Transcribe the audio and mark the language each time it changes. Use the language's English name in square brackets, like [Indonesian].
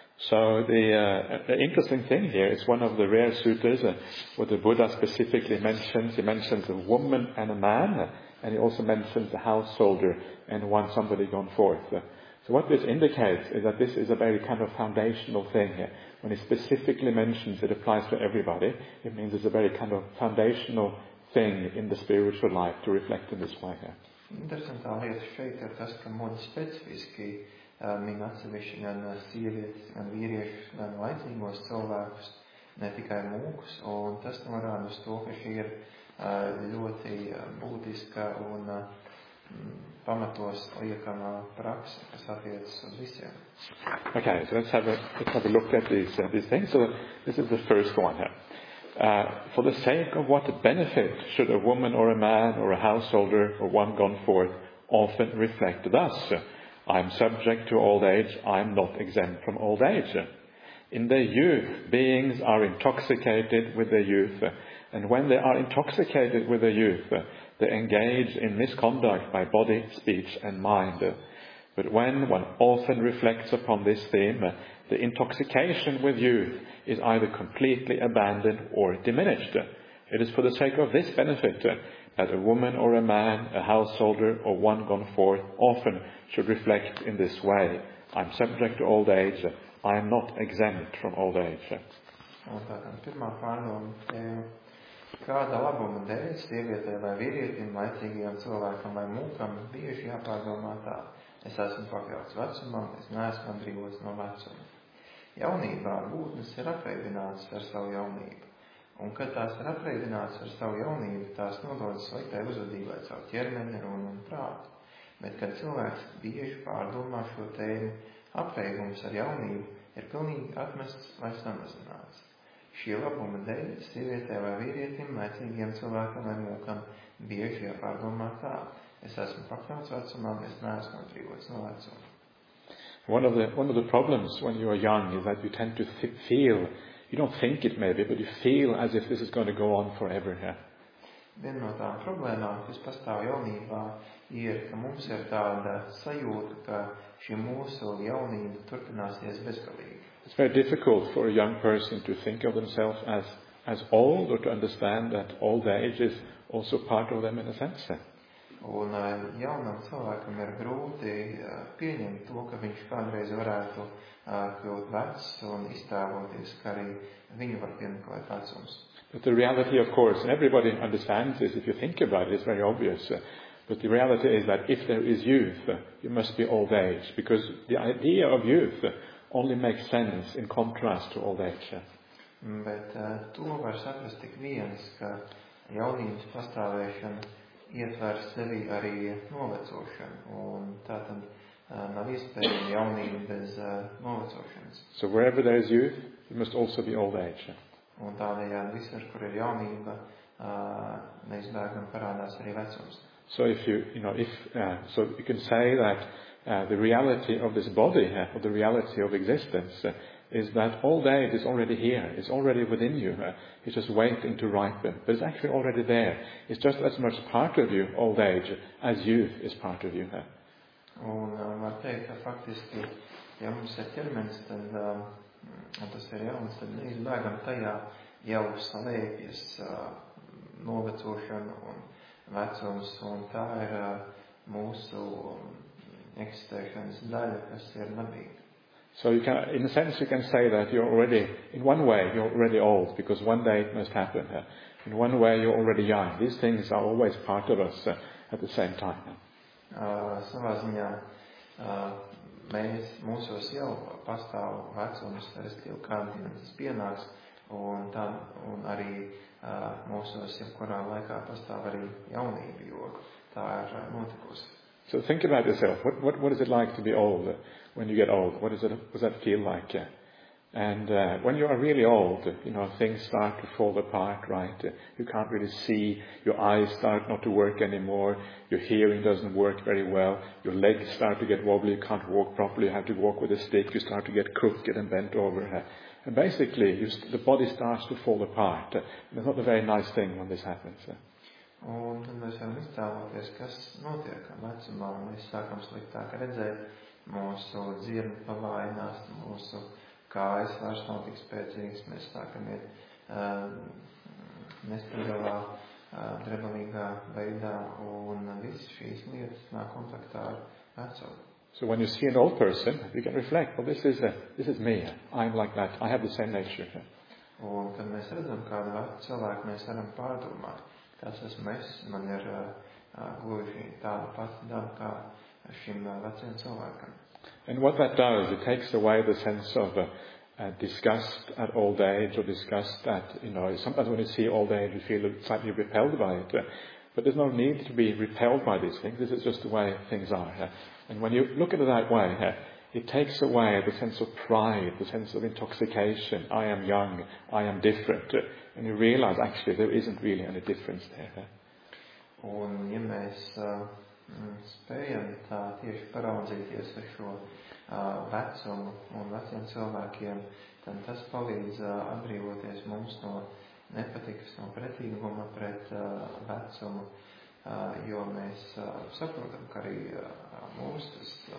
[English] So the interesting thing here is one of the rare sutras where the Buddha specifically mentions, he mentions a woman and a man, and he also mentions a householder and one somebody gone forth. So what this indicates is that this is a very kind of foundational thing here. When he specifically mentions it applies to everybody, it means it's a very kind of foundational thing in the spiritual life to reflect in this way here. [Latvian] Interesantā lieta šeit ir tas, ka mums specifiski min atsevišķi gan sievietes, gan vīriešus, gan laicīgos cilvēkus, ne tikai mūkus, un tas norāda uz to, ka šī ir ļoti būtiska un pamatos liekamā praksa, kas attiecas uz visiem. [English] Okay, so let's have a look at these things. So this is the first one here. For the sake of what benefit should a woman or a man or a householder or one gone forth often reflect thus? I am subject to old age, I am not exempt from old age. In their youth, beings are intoxicated with their youth, and when they are intoxicated with their youth, they engage in misconduct by body, speech and mind. But when one often reflects upon this theme, the intoxication with youth is either completely abandoned or diminished. It is for the sake of this benefit that a woman or a man, a householder or one gone forth often should reflect in this way. I'm subject to old age, I am not exempt from old age. [Latvian] Un tātad pirmā pārdoma, kāda labuma dēļ sievietē vai vīrietim, laicīgajam cilvēkam vai mūkam, bieži jāpārdomā tā. Es esmu pakļauts vecumam, es neesmu atbrīvots no vecuma. Jaunībā būtnes ir apreibinātas ar savu jaunību. Un kad tās ir apreibinātas ar savu jaunību, tās nododas sliktai uzvedībai savu ķermeni, runu un prātu. Bet, kad cilvēks bieži pārdomā šo tēmu, apreibums ar jaunību ir pilnīgi atmests vai samazināts. Šī labuma dēļ sievietē vai vīrietim, laicīgiem cilvēkam vai mūkam bieži jāpārdomā tā. Es esmu pakļauts vecumam, es neesmu atbrīvots no vecuma. [English] One of the problems when you are young is that you tend to feel, you don't think it maybe, but you feel as if this is going to go on forever. Yeah. [Latvian] Viena no tām problēmām, kas pastāv jaunībā, ir, ka mums ir tāda sajūta, ka šī mūsu jaunība turpināsies bezgalīgi. [English] It's very difficult for a young person to think of themselves as old or to understand that old age is also part of them in a sense. [Latvian] Un jaunam cilvēkam ir grūti pieņemt to, ka viņš kādreiz varētu kļūt vecs un iztāvoties, ka arī viņu var piemeklēt vecums. [English] But the reality, of course, and everybody understands this, if you think about it, it's very obvious. But the reality is that if there is youth, you must be old age. Because the idea of youth only makes sense in contrast to old age. [Latvian] Bet to var saprast tik viens, ka jaunības pastāvēšana ietver sevi arī novecošanu. Un tātad nav iespējama jaunība bez novecošanas. [English] So wherever there is youth, you must also be old age. [Latvian] Un tādējādi visur, kur ir jaunība, neizbēgam parādās arī vecums. [English] So if you can say that the reality of this body, or the reality of existence, is that old age is already here, it's already within you, it's just waiting to ripen, but it's actually already there. It's just as much part of you, old age, as youth is part of you. [Latvian] Un var teikt, ka faktiski, ja mums ir ķermenis, tad un tas ir jauns, tad neizbēgam tajā jau saliekies novecošana un vecums, un tā ir mūsu eksistēšanas daļa, kas ir nabīga. [English] So you can, in a sense you can say that you're already, in one way you're already old, because one day it must happen. In one way you're already young. These things are always part of us at the same time. [Latvian] Savā ziņā, mūsos jau pastāv vecums, respektīvi kādien tas pienāks, un arī mūsos jau kurā laikā pastāv arī jaunība, jo tā ir notikusi. [English] So think about yourself. What is it like to be old? When you get old, what does that feel like? And when you are really old, you know, things start to fall apart, right? You can't really see, your eyes start not to work anymore, your hearing doesn't work very well, your legs start to get wobbly, you can't walk properly, you have to walk with a stick, you start to get crooked and bent over. And basically, the body starts to fall apart. It's not a very nice thing when this happens. [Latvian] Un tad mēs varam iztēloties, kas notiek ar vecumā, un mēs sākam sliktāk redzēt, mūsu dzirdi pavainās, mūsu kājas vairs nav tik spēcīgas, mēs sākam iet nestabilā, drebelīgā veidā, un visas šīs lietas nāk kontaktā ar vecumu. [English] So when you see an old person, you can reflect, well, this is me, I'm like that, I have the same nature. [Latvian] Un kad mēs redzam kādu vecu cilvēku, mēs varam pārdomāt, tas esmu es, man ir gluži tāda pati daba kā šim veciem cilvēkam. [English] And what that does, it takes away the sense of disgust at old age, or disgust that, you know, sometimes when you see old age, you feel slightly repelled by it. But there's no need to be repelled by these things. This is just the way things are. And when you look at it that way, it takes away the sense of pride, the sense of intoxication. I am young, I am different. And you realize, actually, there isn't really any difference there. [Latvian] Un, ja mēs spējam tā tieši paraudzīties ar šo vecumu un veciem cilvēkiem, tad tas palīdz atbrīvoties mums no nepatikas, no pretīguma pret vecumu, jo mēs saprotam, ka arī mums tas